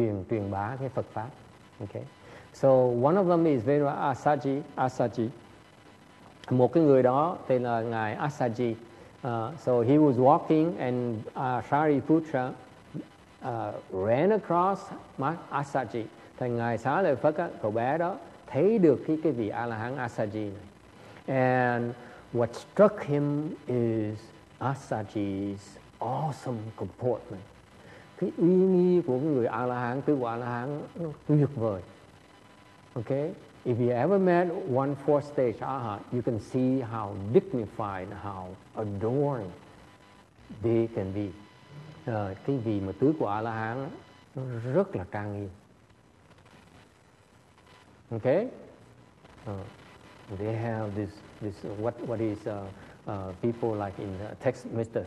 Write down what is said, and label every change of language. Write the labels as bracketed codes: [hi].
[vi] Truyền bá cái Phật pháp. [en] Okay. So one of them is Vera Asaji. [vi] Một cái người đó tên là ngài Asaji. [en] So he was walking and Shariputra ran across Asaji. [vi] Thì ngài Xá Lợi Phất á, cậu bé đó thấy được cái vị A La Hán Asaji này. [en] And what struck him is Asaji's awesome comportment. [vi] Cái uy nghi của người A-la-hán, tứ quả A-la-hán nó tuyệt vời. [en] Okay? If you ever met one fourth stage Arhat, you can see how dignified, how adoring they can be. [vi] Cái vị mà tứ quả A-la-hán nó rất là trang nghiêm. [en] Okay? They have this what is people like in text Mr.